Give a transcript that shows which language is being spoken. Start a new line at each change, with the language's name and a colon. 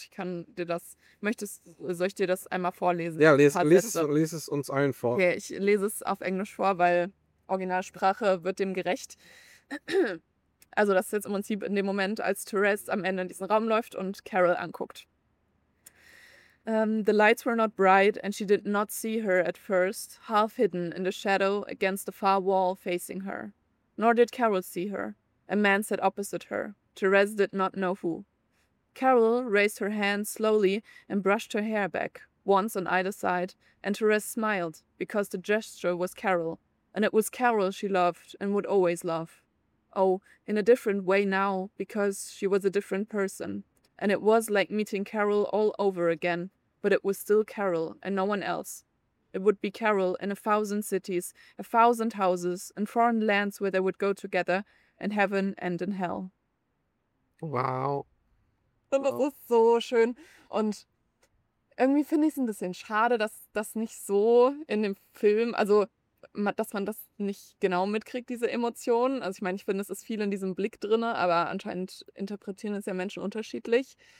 German: Ich kann dir das, soll ich dir das einmal vorlesen? Ja, lies es uns allen vor. Okay, ich lese es auf Englisch vor, weil Originalsprache wird dem gerecht. Also das ist jetzt im Prinzip in dem Moment, als Therese am Ende in diesen Raum läuft und Carol anguckt.
English: The lights were not bright and she did not see her at first, half hidden in the shadow against the far wall facing her. Nor did Carol see her. A man sat opposite her. Therese did not know who. Carol raised her hand slowly and brushed her hair back, once on either side, and Therese smiled, because the gesture was Carol, and it was Carol she loved and would always love. Oh, in a different way now, because she was a different person. And it was like meeting Carol all over again, but it was still Carol and no one else. It would be Carol in 1,000 cities, 1,000 houses, in foreign lands where they would go together, in heaven and in hell. Wow.
German: Und das ist so schön. Und irgendwie finde ich es ein bisschen schade, dass das nicht so in dem Film, also dass man das nicht genau mitkriegt, diese Emotionen. Also ich meine, ich finde, es ist viel in diesem Blick drin, aber anscheinend interpretieren es ja Menschen unterschiedlich.